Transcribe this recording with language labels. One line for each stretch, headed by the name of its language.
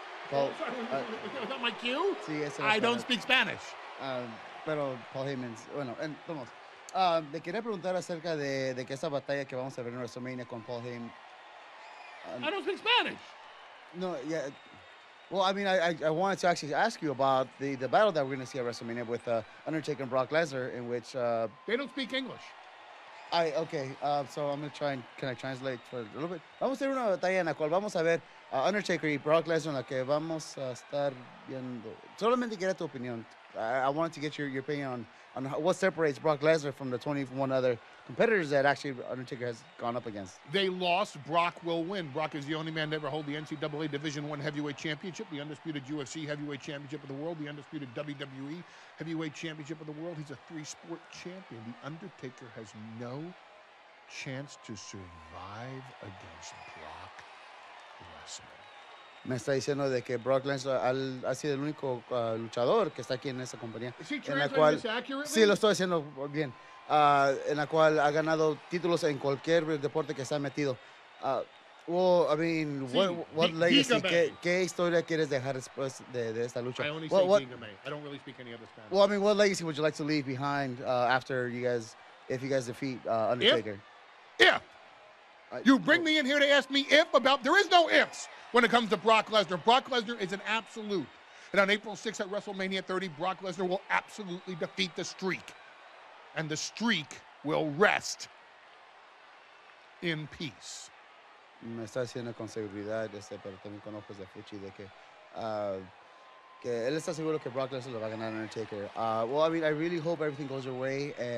English: Paul, my cue?
Spanish: Sí, ese es.
English: I don't speak Spanish.
Spanish: Pero Paul Heyman, bueno, vamos. Le quería preguntar acerca de que esa batalla que vamos a ver en WrestleMania con Paul Heyman.
English: I don't speak Spanish. No, yeah. Well, I mean, I wanted to actually ask you about the battle that we're going to see at WrestleMania with Undertaker and Brock Lesnar, in which... They don't speak English. So I'm going to try and... Can I translate for a little bit?
Spanish: Vamos a hacer una batalla en la cual vamos a ver Undertaker y Brock Lesnar en la que vamos a estar viendo... Solamente quería tu opinión.
English: I wanted to get your opinion on what separates Brock Lesnar from the 21 other competitors that actually Undertaker has gone up against. They lost. Brock will win. Brock is the only man to ever hold the NCAA Division I Heavyweight Championship, the Undisputed UFC Heavyweight Championship of the World, the Undisputed WWE Heavyweight Championship of the World. He's a three-sport champion. The Undertaker has no chance to survive against Brock Lesnar.
Spanish: Me está diciendo de que Brock Lesnar ha sido el único luchador que está aquí en esa compañía. En la cual,
English: accurately?
Spanish: Sí, lo estoy haciendo bien. En la cual ha ganado títulos en cualquier deporte que se ha metido. ¿Qué historia quieres dejar después de esta lucha?
English: I only say Gingame. I don't really speak any other Spanish. Well, I mean, what legacy would you like to leave behind after you guys, if you guys defeat Undertaker? You bring me in here to ask me if about, there is no ifs. When it comes to Brock Lesnar, Brock Lesnar is an absolute. And on April 6th at WrestleMania 30, Brock Lesnar will absolutely defeat the streak. And the streak will rest in peace.
Spanish: Me está haciendo con seguridad, pero también con ojos de fuchi, de que él está seguro que Brock Lesnar lo va a ganar Undertaker.
English: Well, I mean, I really hope everything goes your way.